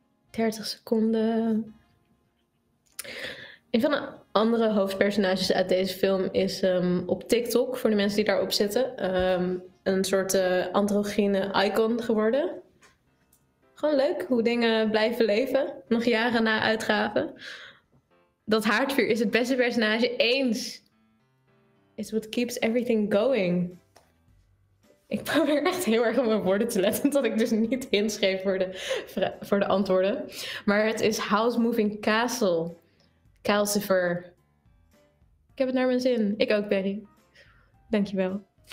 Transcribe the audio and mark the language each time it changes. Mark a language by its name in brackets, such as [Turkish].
[Dutch] 30 seconden. Een van de andere hoofdpersonages uit deze film is op TikTok, voor de mensen die daarop zitten, een soort androgyne icon geworden. Gewoon leuk hoe dingen blijven leven, nog jaren na uitgaven. Dat haardvuur is het beste personage eens. [English] It's what keeps everything going. [Dutch] Ik probeer echt heel erg op mijn woorden te letten, dat ik dus niet inschreef voor de antwoorden. Maar het is House Moving Castle. Calcifer. Ik heb het naar mijn zin. Ik ook, Barry. Dankjewel.